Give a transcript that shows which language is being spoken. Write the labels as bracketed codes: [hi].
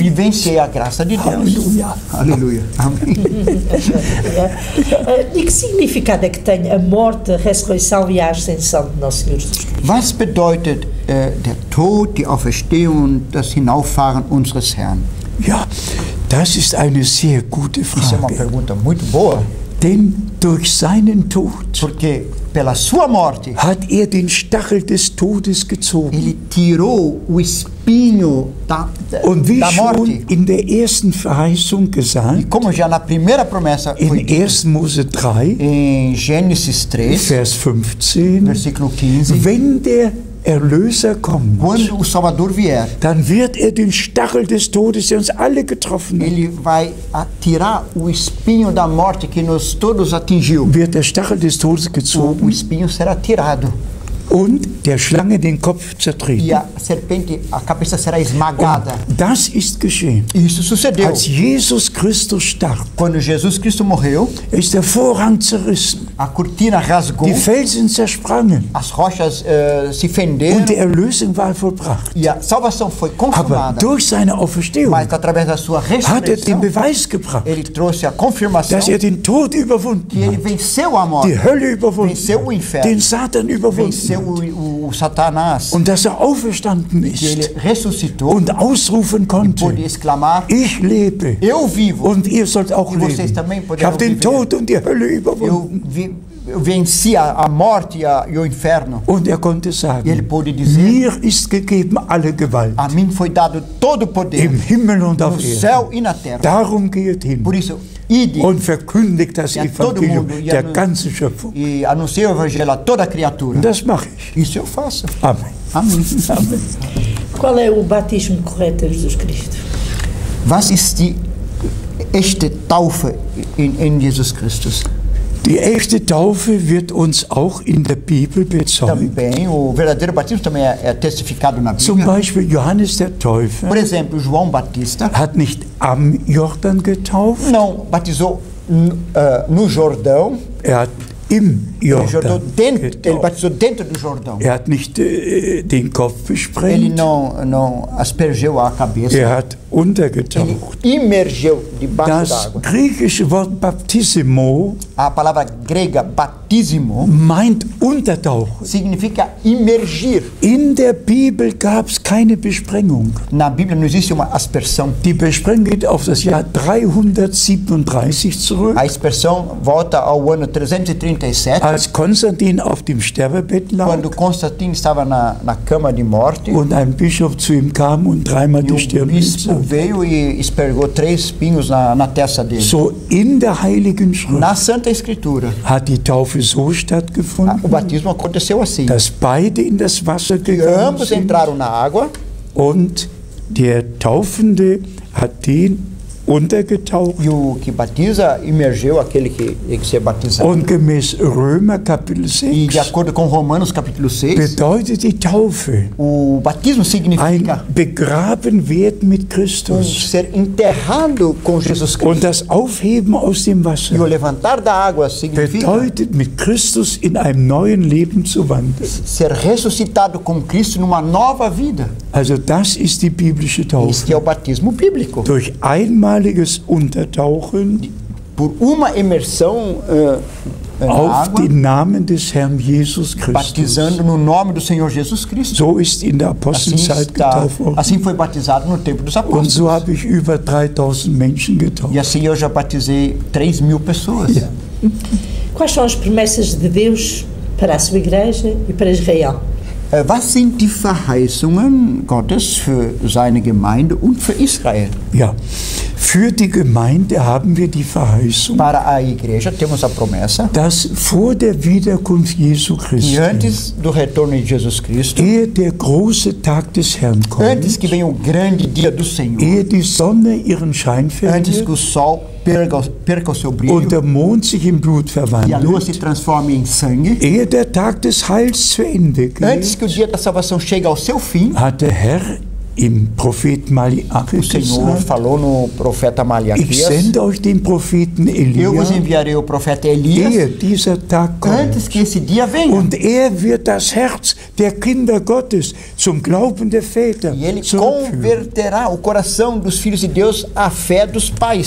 [pt] Eu vivenciei a graça de Deus. Aleluia. Aleluia. Amém. E que significado é que tem a morte, a ressurreição e a ascensão de nosso Senhor Jesus Cristo? [de] Was bedeutet der Tod, die Auferstehung, das Hinauffahren unseres Herrn? Ja, das ist eine sehr gute Frage. [pt] Isso é uma pergunta muito boa. [de] Denn durch seinen Tod, [pt] porque pela sua morte, [de] hat den Stachel des Todes gezogen. [pt] Ele tirou o espinho da [de] und wie [pt] da morte. [de] Schon in der ersten Verheißung gesagt, [pt] e como já na primeira promessa [de] in 1. Mose 3, [pt] em Gênesis 3, [de] Vers 15, [pt] versículo 15, [de] wenn der Erlöser kommt. [pt] Quando o Salvador vier, [de] dann wird den Stachel des Todes, der uns alle getroffen [pt] ele vai atirar o espinho da morte que nos todos atingiu. [de] Wird der Stachel des Todes gezogen. [pt] O espinho será tirado. [de] Und der Schlange den Kopf zertreten. [pt] E a serpente, a cabeça será esmagada. [de] Und das ist geschehen. [pt] Isso sucedeu. [de] Als Jesus Christus starb. [pt] Quando Jesus Cristo morreu, [de] ist der Vorhang zerrissen. [pt] A cortina rasgou. [de] Die Felsen zersprangen. [pt] As rochas se fenderam. [de] Und die Erlösung war vollbracht. [pt] E a salvação foi consumada. [de] Aber durch seine Auferstehung. [pt] Mas através da sua ressurreição. [de] Hat er den Beweis gebracht. [pt] Ele trouxe a confirmação. [de] Dass er den Tod überwunden hat. [pt] Que ele venceu a morte. [de] Die Hölle überwunden. [pt] Venceu o inferno. [de] Den Satan überwunden. [pt] Venceu o Satanás. [de] Und dass er auferstanden ist. [pt] Que ele ressuscitou. [de] Und ausrufen konnte. [pt] E pôde exclamar. [de] Ich lebe. [pt] Eu vivo. [de] Und ihr sollt auch [pt] e [de] leben. [pt] Vocês também poderão [de] ich habe den [pt] viver. [de] Tod und die Hölle überwunden. [pt] Eu venci a morte e o inferno. [de] Und er konnte sagen, [pt] e ele pôde dizer, [de] mir ist gegeben alle Gewalt. [pt] A mim foi dado todo o poder. [de] Im Himmel und auf Erden. [pt] No céu e na terra. [de] Darum geht hin. [pt] Por isso, ide. [de] Und verkündigt das [pt] e [de] Evangelium der ganzen Schöpfung. [pt] E anuncie o Evangelho a toda a criatura. [de] Das mache ich. [pt] Isso eu faço. Amém. Amém. Amém. Qual é o batismo correto de Jesus Cristo? [de] Was ist die echte Taufe in Jesus Christus? Die echte Taufe wird uns auch in der Bibel bezeugt. [pt] Também, o verdadeiro batismo também é testificado na Bíblia. [de] Zum Beispiel Johannes der Täufer. [pt] Por exemplo, João Batista. [de] Hat nicht am Jordan getauft? [pt] Não, batizou no Jordão. [de] Er hat im Jordan. [pt] Ele batizou dentro do Jordão. [de] Er hat nicht den Kopf besprengt. [pt] Ele não aspergeu a cabeça. [de] Er hat untergetaucht. [pt] Ele imergeu debaixo d'água. [de] Das griechische Wort baptismo. [pt] A palavra grega baptismo [de] meint untertauchen. [pt] Significa imergir. [de] In der Bibel gab's keine Besprengung. [pt] Na Bíblia não existe uma aspersão. [de] Die Besprengung geht auf das Jahr 337 zurück. [pt] A aspersão volta ao ano 337. [de] Als Konstantin auf dem Sterbebett lag. [pt] Quando Constantino estava na cama de morte. [de] Und ein Bischof zu ihm kam und dreimal die Stirn runzelte. [pt] O veio e espergou três pinhos na testa dele. [de] So in der Heiligen Schrift. [pt] Na Santa Escritura. [de] Hat die Taufe so stattgefunden? [pt] O batismo aconteceu assim. [de] Dass beide in das Wasser gegangen sind. [pt] Ambos entraram na água. [de] Und der Taufende hat den untergetaucht. [pt] E o que batiza imergeu aquele que se batizou. [de] Und gemäß Römer Kapitel 6. [pt] E de acordo com Romanos capítulo 6. [de] Bedeutet die Taufe. [pt] O batismo significa. [de] Ein begraben werden mit Christus. [pt] Ser enterrado com Jesus Cristo. [de] Und das Aufheben aus dem Wasser. [pt] E o levantar da água significa. [de] Bedeutet mit Christus in einem neuen Leben zu wandeln. [pt] Ser ressuscitado com Cristo numa nova vida. [de] Also das ist die biblische Taufe. [pt] Este é o batismo bíblico. [de] Durch einmaliges Untertauchen [pt] por uma imersão [de] auf den Namen des Herrn Jesus Christus. [pt] Batizando no nome do Senhor Jesus Cristo. [de] So ist in der Apostelzeit getauft worden. [pt] Assim foi batizado no tempo dos apóstolos. [de] Und so habe ich über 3000 Menschen getauft. [pt] E assim eu já batizei 3 mil pessoas. [en] Yeah. [pt] Quais são as promessas de Deus para a sua igreja e para Israel? [de] Was sind die Verheißungen Gottes für seine Gemeinde und für Israel? Ja, für die Gemeinde haben wir die Verheißung. [pt] Para a igreja temos a promessa. [de] Dass vor der Wiederkunft Jesu Christi. [pt] Antes do retorno de Jesus Cristo. [de] Ehe der große Tag des Herrn kommt. [pt] Antes que venha o grande dia do Senhor. [de] Ehe die Sonne ihren Schein verliert. [pt] Antes que o sol perca o seu brilho. [de] Und der Mond sich in Blut verwandelt. [pt] E a lua se transforma em sangue. [de] Ehe der Tag des Heils zu Ende geht. [pt] Antes que o dia da salvação chegue ao seu fim. [de] Hat der Herr im Prophet Malachi. [pt] O Senhor falou no profeta Malaquias. [de] Ich sende euch den Propheten Elia. [pt] Eu vos enviarei o profeta Elias. [de] Ehe dieser Tag kommt. [pt] Antes que esse dia venha. [de] Und er wird das Herz der Kinder Gottes zum Glauben der Väter. [pt] E ele converterá o coração dos filhos de Deus à fé dos pais.